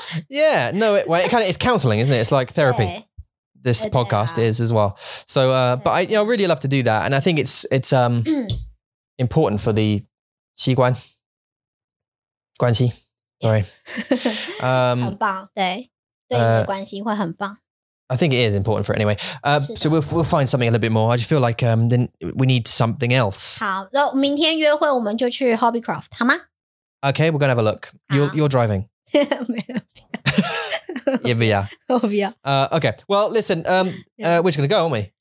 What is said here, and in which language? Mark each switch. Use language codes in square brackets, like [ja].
[en] Yeah, no, it kind of, it's counseling, isn't it? It's like therapy, this podcast is as well. So, but I, you know, really love to do that. And I think it's important for the [zh] 习惯, 关系. [en] Sorry. [zh] 很棒,对,对你的关系会很棒. [en] I think it is important for it anyway. So we'll find something a little bit more. I just feel like then we need something else. [zh] 好,那明天约会我们就去 Hobbycraft, 好吗? [en] Okay, we're going to have a look. You're driving. [zh] 没有。 [en] Yeah, we are. Okay, well, listen, we're just going to go, aren't we?